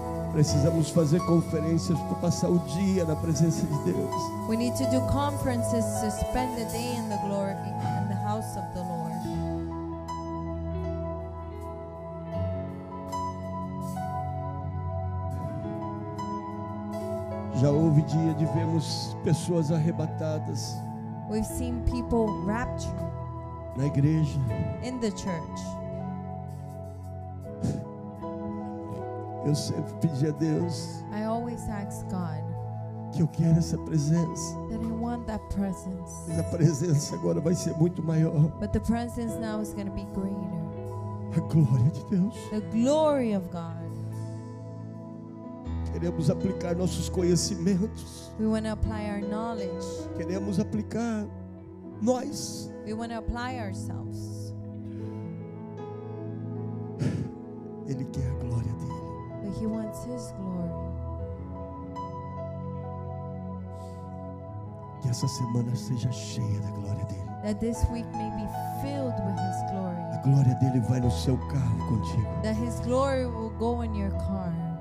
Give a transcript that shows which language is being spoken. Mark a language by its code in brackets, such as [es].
[pt] Precisamos fazer conferências para passar o dia na presença de Deus. [en] We need to do conferences to spend the day in the glory in the house of the Lord. [pt] Já houve dia de vermos pessoas arrebatadas. [en] We've seen people raptured. [pt] Na igreja. [en] In the church. [pt] Eu sempre pedi a Deus. [en] I always ask God. [pt] Que eu quero essa presença. [en] That I want that presence. [pt] Mas a presença agora vai ser muito maior. [en] But the presence now is going to be greater. [pt] A glória de Deus. [en] The glory of God. [pt] Queremos aplicar nossos conhecimentos. [en] We want to apply our knowledge. [pt] Queremos aplicar nós. [en] We want to apply ourselves. [pt] Ele quer a glória dele. [en] But he wants his glory. [pt] Que essa semana seja cheia da glória dele. [en] That this week may be filled with his glory. [pt] A glória dele vai no seu carro contigo. [en] That his glory will go in your car.